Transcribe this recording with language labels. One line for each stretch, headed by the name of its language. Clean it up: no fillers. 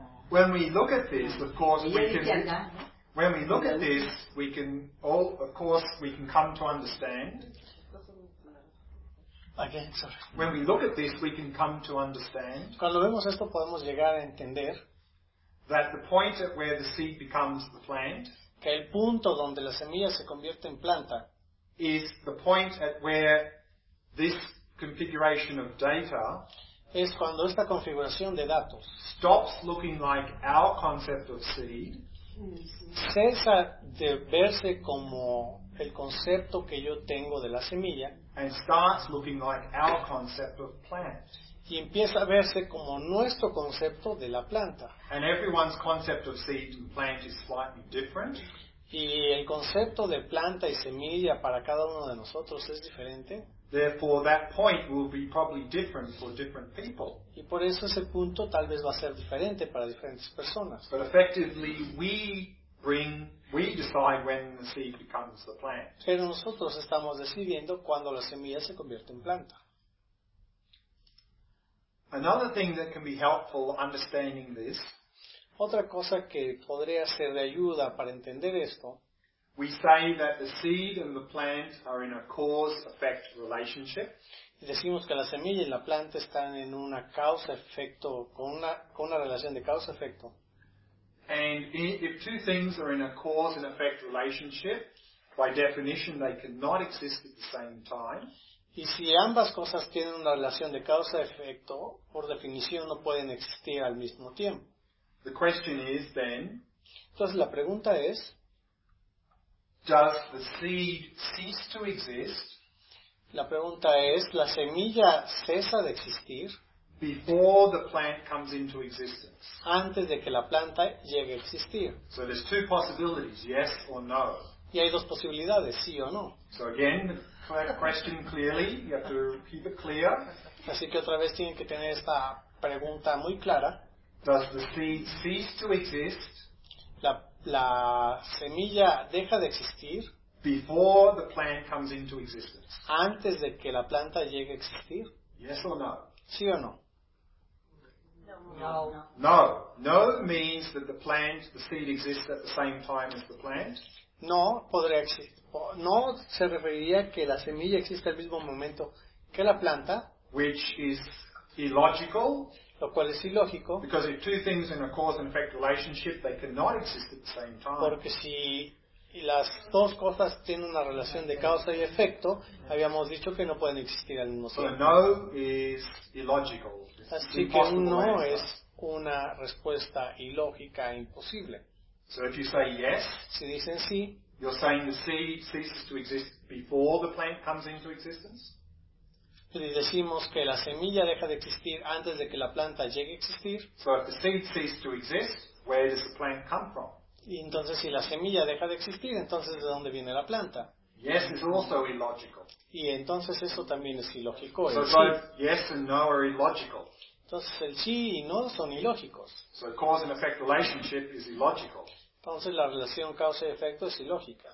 English: When we look at this, of course, we can. When we look at this, we can all, of course, we can come to understand. Again, sorry. When we look at this, we can come to understand.
Spanish: Cuando vemos esto, podemos llegar a entender
English: that the point at where the seed becomes the plant,
Spanish: que el punto donde la semilla se convierte en planta,
English: is the point at where this configuration of data
Spanish: es cuando esta configuración de datos
English: stops looking like our concept of seed.
Spanish: Cesa de verse como el concepto que yo tengo de la semilla
English: and starts looking like our concept of plant.
Spanish: Y empieza a verse como nuestro concepto de la planta.
English: And everyone's concept of seed and plant is slightly different.
Spanish: Y el concepto de planta y semilla para cada uno de nosotros es diferente.
English: Therefore, that point will be probably different for different people.
Spanish: Y por eso ese punto tal vez va a ser diferente para diferentes personas.
English: But effectively, we decide when the seed becomes the plant.
Spanish: Pero nosotros estamos decidiendo cuando la semilla se convierte en planta.
English: Another thing that can be helpful understanding this.
Spanish: Otra cosa que podría ser de ayuda para entender esto.
English: We say that the seed and the plant are in a cause-effect relationship.
Spanish: Decimos que la semilla y la planta están en una causa-efecto, con una relación de causa-efecto.
English: And if two things are in a cause and effect relationship, by definition they cannot exist at the same time.
Spanish: Y si ambas cosas tienen una relación de causa-efecto, por definición no pueden existir al mismo tiempo.
English: The question is then,
Spanish: entonces la pregunta es,
English: does the seed cease to exist?
Spanish: La pregunta es, ¿la semilla cesa de existir?
English: Before the plant comes into existence.
Spanish: Antes de que la planta llegue a existir.
English: So there's two possibilities, yes or no.
Spanish: Y hay dos posibilidades, sí o no.
English: So again, question clearly, you have to keep it clear.
Spanish: Así que otra vez tienen que tener esta pregunta muy clara.
English: Does the seed cease to exist?
Spanish: La semilla deja de existir
English: Before the plant comes into existence.
Spanish: Antes de que la planta llegue a existir.
English: Yes or no?
Spanish: Sí o no? No. No.
English: No means that the plant, the seed exists at the same time as the plant.
Spanish: No, podría existir. No se referiría que la semilla existe al mismo momento que la planta.
English: Which is illogical.
Spanish: Lo cual es ilógico.
English: Because if two things in a cause and effect relationship, they cannot exist at the same time.
Spanish: Porque si las dos cosas tienen una relación de causa y efecto, habíamos dicho que no pueden existir al mismo tiempo.
English: So no is illogical.
Spanish: Así que no es una respuesta ilógica e imposible.
English: So if you say yes,
Spanish: si dicen sí,
English: you're saying the seed ceases to exist before the plant comes into existence.
Spanish: Y decimos que la semilla deja de existir antes de que la planta llegue a existir.
English: So if the seed ceases to exist, where does the plant come from?
Spanish: Y entonces si la semilla deja de existir, entonces ¿de dónde viene la planta?
English: Yes, it's also illogical.
Spanish: Y entonces eso también es ilógico.
English: So
Spanish: sí.
English: Both yes and no are illogical.
Spanish: Entonces el sí y no son ilógicos.
English: So cause and effect relationship is illogical.
Spanish: Entonces la relación causa y efecto es ilógica.